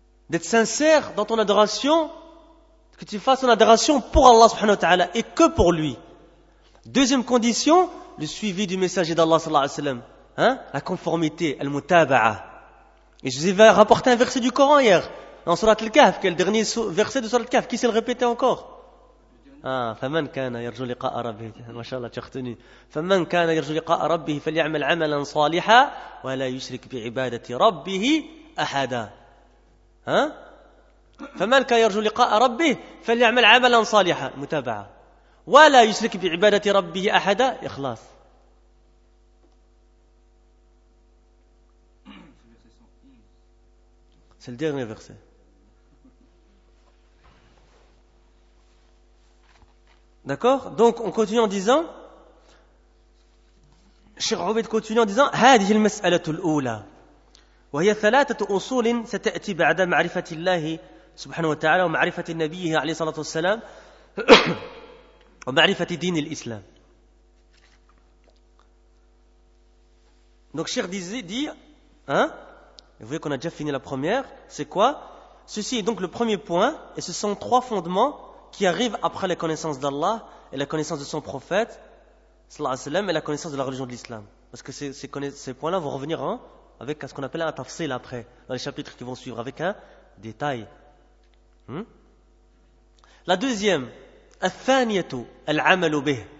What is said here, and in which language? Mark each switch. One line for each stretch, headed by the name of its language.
French: D'être sincère dans ton adoration, que tu fasses ton adoration pour Allah subhanahu wa ta'ala et que pour lui. Deuxième condition, le suivi du messager d'Allah sallallahu alayhi wa sallam. Hein? La conformité, al-mutaba'a. Et je vous ai rapporté un verset du Coran hier, dans Surat al-Kahf, qui est le dernier verset de Surat al-Kahf. Qui sait le répéter encore?
Arabic: Ah, فمن كان يرجو لقاء ربه ما شاء الله تختني فمن كان يرجو لقاء ربه فليعمل عملا صالحا ولا يشرك بعبادة ربه أحدا.
French: Hein?
Arabic: فمن كان يرجو لقاء ربه فليعمل عملا صالحا متابعة ولا يشرك بعبادة ربه أحدا إخلاص.
French: C'est le dernier verset. D'accord? Donc, on continue en disant,
Arabic: Cheikh Obed continue en disant, هذه المسألة الأولى وهي ثلاثة أصول ستأتي بعد معرفة الله سبحانه وتعالى ومعرفة النبي عليه الصلاة والسلام ومعرفة دين الإسلام.
French: Donc, Cheikh dit, hein, vous voyez qu'on a déjà fini la première, c'est quoi? Ceci est donc le premier point, et ce sont trois fondements qui arrivent après la connaissance d'Allah et la connaissance de son prophète, sallallahu alayhi wa sallam, et la connaissance de la religion de l'islam. Parce que ces points-là vont revenir hein, avec ce qu'on appelle un tafsil après, dans les chapitres qui vont suivre, avec un détail. La deuxième,
Arabic: الثانيه العمل به.